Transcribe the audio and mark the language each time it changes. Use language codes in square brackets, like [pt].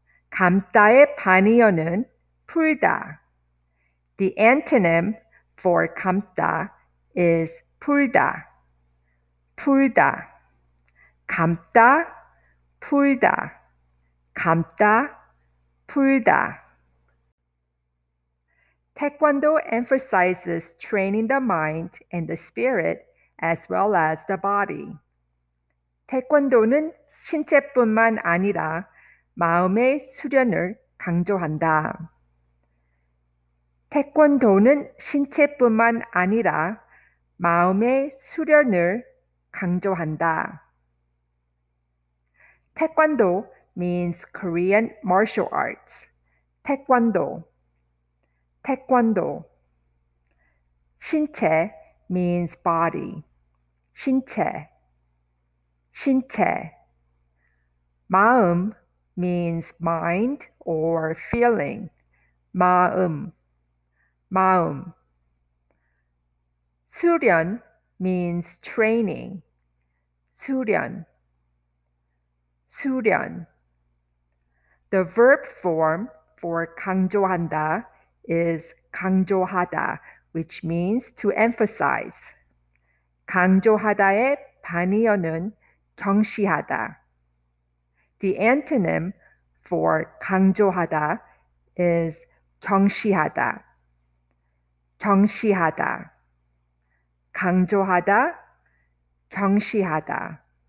[ko] 감다의 반의어는 풀다. [en] The antonym for [ko] 감다 is 풀다. 풀다. 감다, 풀다. 감다, 풀다. [en] Taekwondo emphasizes training the mind and the spirit as well as the body. [ko] 태권도는 신체뿐만 아니라 마음의 수련을 강조한다. 태권도는 신체뿐만 아니라 마음의 수련을 강조한다. [en] Taekwondo means Korean martial arts. Taekwondo. Taekwondo. [ko] 신체 [en] means body. [ko] 신체. 신체. 마음 [en] means mind or feeling. [ko] 마음. 마음. 수련 [en] means training. [ko] 수련. 수련. [en] The verb form for 강조한다 is 강조하다, which means to emphasize. [ko] 강조하다의 반의어는 경시하다. [en] The antonym for 강조하다 is 경시하다. [ko] 경시하다. 강조하다, 경시하다.